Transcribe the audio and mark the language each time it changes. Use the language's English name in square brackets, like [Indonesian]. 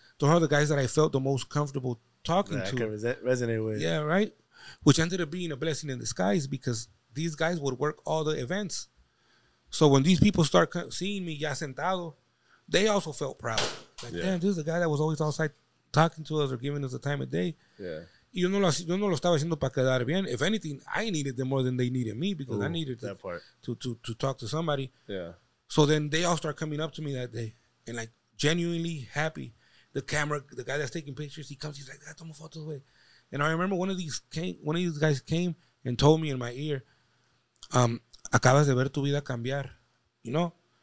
[English] Those are the guys that I felt the most comfortable talking to. Resonate with. Yeah, right? Which ended up being a blessing in disguise, because these guys would work all the events. So when these people start seeing me [Spanish] ya sentado, [English] they also felt proud. Like, damn, this is the guy that was always outside talking to us or giving us the time of day. Yeah. [Spanish] Yo no lo estaba haciendo para quedar bien. [English] If anything, I needed them more than they needed me, because I needed to talk to somebody. Yeah. So then they all start coming up to me that day and like genuinely happy. The camera, the guy that's taking pictures, he comes, he's like, [Spanish] "Ah, toma fotos, güey." [English] And I remember one of these guys came and told me in my ear, [Spanish] acabas de ver tu vida cambiar, [English] you know?